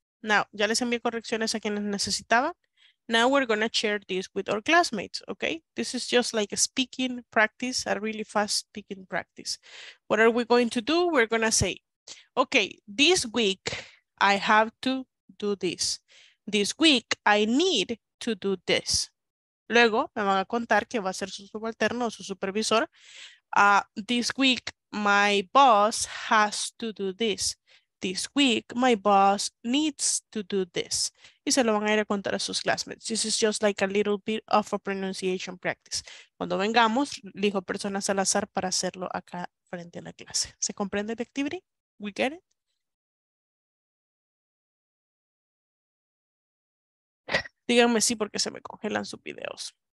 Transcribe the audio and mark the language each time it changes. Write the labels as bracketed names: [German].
[Spanish] Now, ya les envié correcciones a quienes necesitaban. [English] Now we're going to share this with our classmates, okay? This is just like a speaking practice, a really fast speaking practice. What are we going to do? We're going to say, okay, this week I have to do this. This week I need to do this. [Spanish] Luego me van a contar que va a ser su subalterno o su supervisor. [English] This week my boss has to do this. This week, my boss needs to do this. [Spanish] Y se lo van a ir a contar a sus classmates. [English] This is just like a little bit of a pronunciation practice. [Spanish] Cuando vengamos, elijo personas al azar para hacerlo acá frente a la clase. ¿Se comprende [English] the activity? We get it? [Spanish] Díganme sí porque se me congelan sus videos.